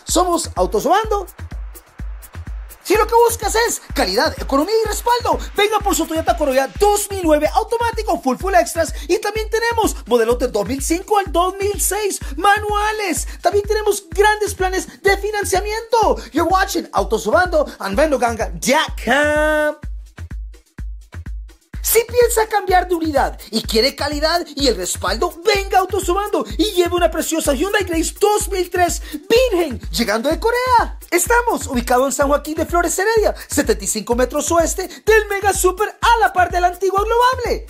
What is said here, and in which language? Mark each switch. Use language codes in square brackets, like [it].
[es] Somos Autos Obando. Si lo que buscas es calidad, economía y respaldo, venga por su Toyota Corolla 2009 automático full extras y también tenemos modelos de 2005 al 2006 manuales. También tenemos grandes planes de financiamiento. [en] You're watching Autos Obando and Vendoganga.com. [es] Si piensa cambiar de unidad y quiere calidad y el respaldo, venga Autos Obando y lleve una preciosa Hyundai Grace 2003 virgen llegando de Corea. Estamos ubicados en San Joaquín de Flores Heredia, 75 metros oeste del Mega Super a la par de la antigua Globable.